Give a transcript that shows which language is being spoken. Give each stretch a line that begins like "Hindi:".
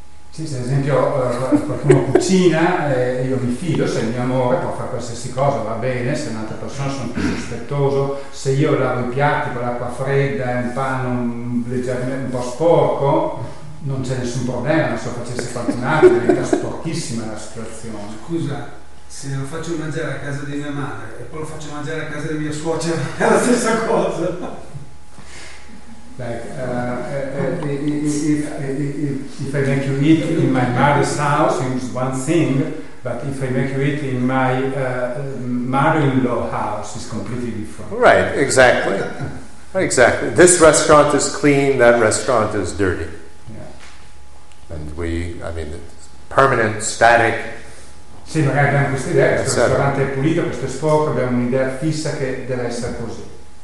Italian: Sì, se ad esempio qualcuno cucina e io mi fido, se il mio amore può fare qualsiasi cosa va bene, se un'altra persona sono più sospettoso, se io lavo i piatti con l'acqua fredda e un panno leggermente un po' sporco, non c'è nessun problema, se lo facesse qualcun altro diventa sporchissima la situazione. Scusa, se lo faccio mangiare a casa di mia madre e poi lo faccio mangiare a casa di mia suocera, è la stessa cosa.
English: If I make you eat in my mother's house, it's one thing, but if I make you eat in my mother-in-law house, it's completely different. Right, exactly. Exactly. This restaurant is clean, that restaurant is dirty. Yeah. And we, I mean, it's permanent, static.
Italian: Sì, magari abbiamo questa idea, questo ristorante è pulito, questo è sporco, abbiamo un'idea fissa che deve essere così.